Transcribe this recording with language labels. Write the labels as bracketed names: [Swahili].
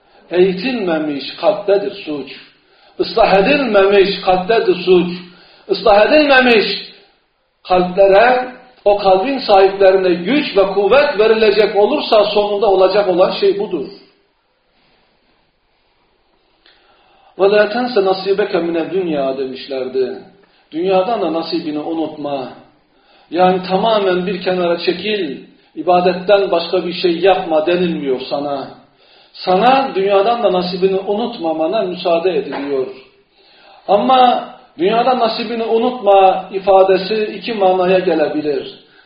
[Turkish] Eğitilmemiş kalptedir suç. Islah edilmemiş kalptedir suç. Islah edilmemiş kalplere, o kalbin sahiplerine güç ve kuvvet verilecek olursa sonunda olacak olan şey budur. [Arabic] وَلَا تَنْسَ نَصِيبَكَ مِنَ الدُّنْيَا [Turkish] demişlerdi. Dünyadan da nasibini unutma. Yani tamamen bir kenara çekil, ibadetten başka bir şey yapma denilmiyor sana. Sana dünyadan da nasibini unutmamana müsaade ediliyor. Ama dünyadan nasibini unutma ifadesi iki manaya gelebilir.